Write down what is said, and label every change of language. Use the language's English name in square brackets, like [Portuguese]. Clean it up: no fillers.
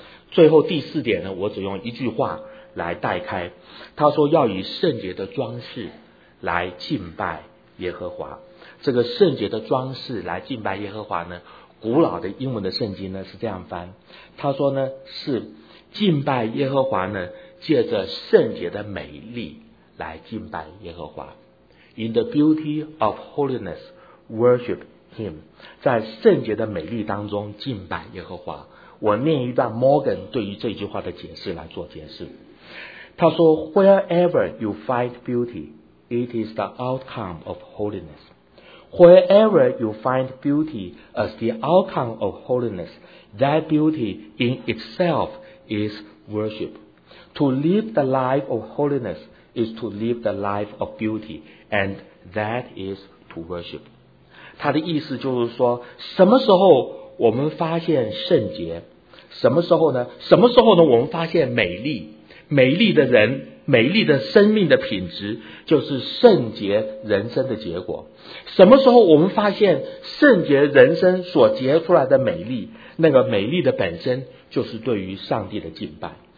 [Chinese] 最后第四点呢，我只用一句话来带开，他说要以圣洁的装饰来敬拜耶和华。这个圣洁的装饰来敬拜耶和华呢，古老的英文的圣经呢是这样翻，他说呢是敬拜耶和华呢借着圣洁的美丽来敬拜耶和华。 [English] In the beauty of holiness worship him， [Chinese] 在圣洁的美丽当中敬拜耶和华。我念一段 Morgan 对于这句话的解释来做解释，他说 [English] Wherever you find beauty it is the outcome of holiness， Wherever you find beauty as the outcome of holiness that beauty in itself is worship。 To live the life of holiness is to live the life of beauty and that is to worship。 [Chinese] 他的意思就是说，什么时候我们发现圣洁，什么时候呢？什么时候呢？我们发现美丽，美丽的人，美丽的生命的品质，就是圣洁人生的结果。什么时候我们发现圣洁人生所结出来的美丽，那个美丽的本身就是对于上帝的敬拜。